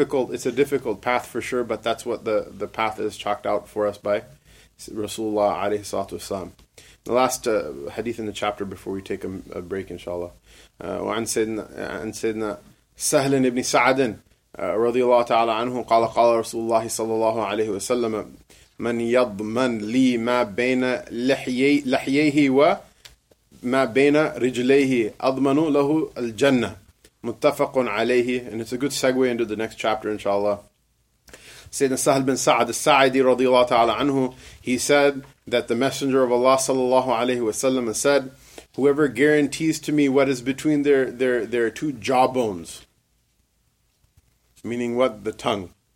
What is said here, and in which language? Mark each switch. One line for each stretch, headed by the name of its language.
English: It's a difficult path for sure, but that's what the path is chalked out for us by Rasulullah alayhi salatu wasalam. The last hadith in the chapter before we take a break, inshallah.
Arabic: وعن سيدنا سهل بن سعد رضي الله تعالى عنه قال قال رسول الله صلى الله عليه وسلم من يضمن لي ما بين لحييه وما بين رجليه أضمن له الجنة متفق عليه.
English: And it's a good segue into the next chapter, inshallah. سيدنا سهل بن سعد السعدي
Arabic: رضي الله تعالى عنه,
English: he said that the messenger of Allah
Arabic: صلى الله عليه وسلم
English: said, whoever guarantees to me what is between their two jawbones, meaning what? The tongue.